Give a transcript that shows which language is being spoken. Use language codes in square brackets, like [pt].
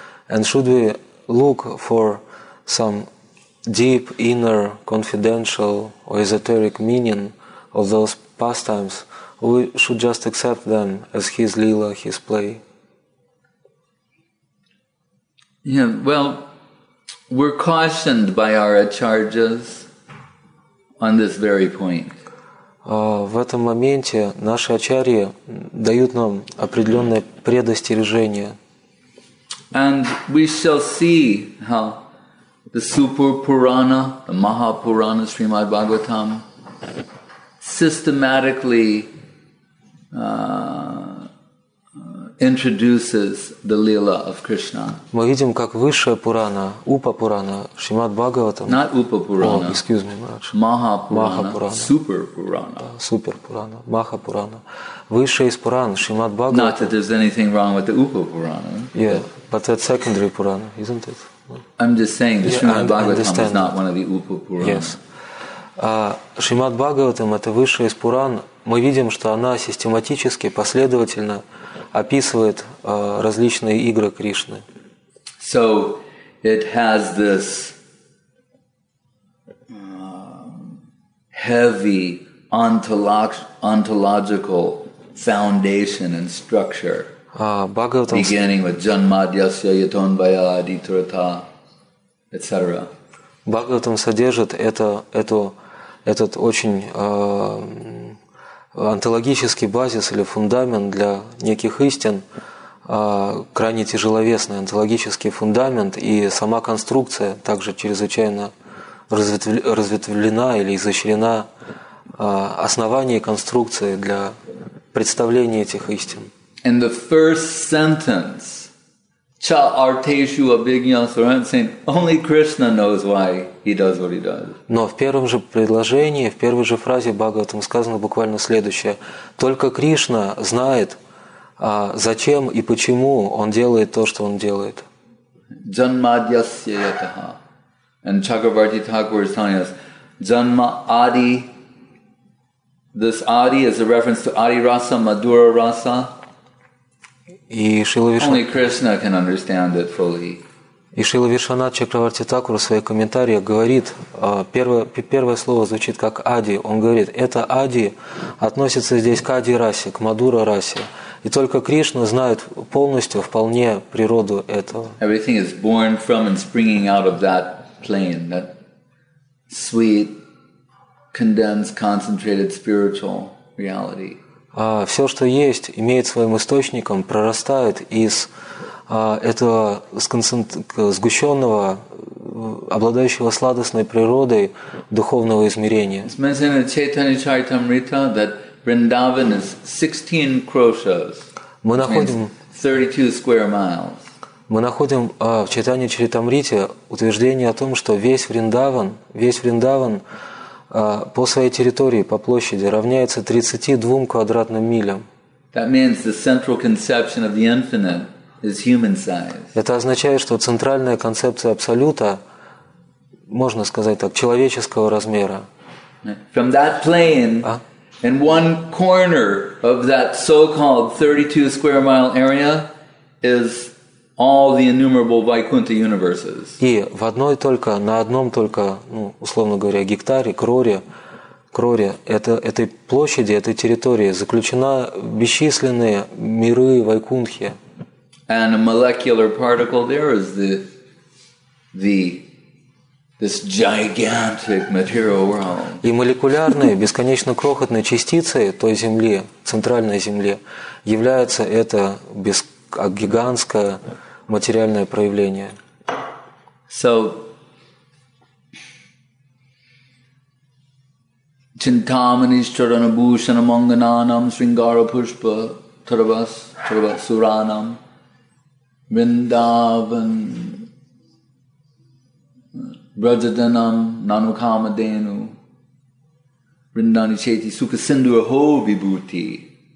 [en] And should we look for some deep, inner, confidential, or esoteric meaning of those pastimes, we should just accept them as his lila, his play? Yeah, well, we're cautioned by our acharyas on this very point. [ru] В этом моменте наши ачарьи дают нам определенное предостережение. [en] And we shall see how the Supur Purana, the Mahapurana, Srimad Bhagavatam systematically introduces the Leela of Krishna. [ru] Мы видим, как высшая Пурана, Упа Пурана, Шримад Бхагаватам. [en] Not Upa Purana. Oh, excuse me, Maharaj. Mahapurana. Super Purana. Super Purana. Mahapurana. [ru] Высшая из Пуран, Шримад Бхагаватам. [en] Not that there's anything wrong with the Upa Purana. Yeah, but that's secondary Purana, isn't it? I'm just saying the Shrimad Bhagavatam is not one of the Upa Purana. Yes. [ru] Шримад Бхагаватам — это высшая из Пуран. Мы видим, что она систематически, последовательно описывает различные игры Кришны. [en] So it has this heavy ontological foundation and structure. Beginning with [sa] Janmadyasya Yatonvaya Aditrata, [en] etc. [ru] Бхагаватам содержит этот очень онтологический базис или фундамент для неких истин, крайне тяжеловесный онтологический фундамент, и сама конструкция также чрезвычайно разветвлена или изощрена, основание конструкции для представления этих истин. [en] In the first sentence, [sa] cha arteshu abhignasaran [en] saying, only Krishna knows why he does what he does. [ru] Но в первом же предложении, в первой же фразе Бхагаватам сказано буквально следующее. Только Кришна знает, зачем и почему он делает то, что он делает. [sa] Janmadyasya yataha. [en] And Chakravarti Thakur is telling us, janma adi. This adi is a reference to adi rasa, madura rasa. Only Krishna can understand it fully. [ru] И Шрила Вишванат Чакраварти Такур в своих комментариях говорит, первое слово звучит как ади. Он говорит, это ади относится здесь к ади расе, к мадура расе. И только Кришна знает полностью, вполне природу этого. [en] Everything is born from and springing out of that plane, that sweet, condensed, concentrated spiritual reality. [ru] Все, что есть, имеет своим источником, прорастает из этого сгущенного, обладающего сладостной природой духовного измерения. [en] It's mentioned in Chaitanya Charitamrita that Vrindavan is 16 kroshas. [ru] Мы находим [en] 32 square miles. [ru] Мы находим в Чайтанья Чаритамрите утверждение о том, что весь Вриндаван по своей территории, по площади, равняется 32 квадратным милям. [en] That means the central conception of the infinite is human size. [ru] Это означает, что центральная концепция Абсолюта, можно сказать так, человеческого размера. [en] From that plane, in one corner of that so-called 32 square mile area is all the innumerable Vaikuntha universes. [ru] И в одной только, на одном только, ну, условно говоря, гектаре, кроре, этой площади, этой территории заключена бесчисленные миры Вайкунтхи. [en] And a molecular particle there is this gigantic material world. [ru] И молекулярной, бесконечно крохотной частицей той Земли, центральной Земли, является это гигантское материальное проявление. [sa] So, Chintamani Charanabhushana Manganam Sringara Pushpa Taravas Taravasuranam Vrindavan Brajadanam Nanukamadenu Vrindani Cheti Sukhasindhu Aho Vibhuti.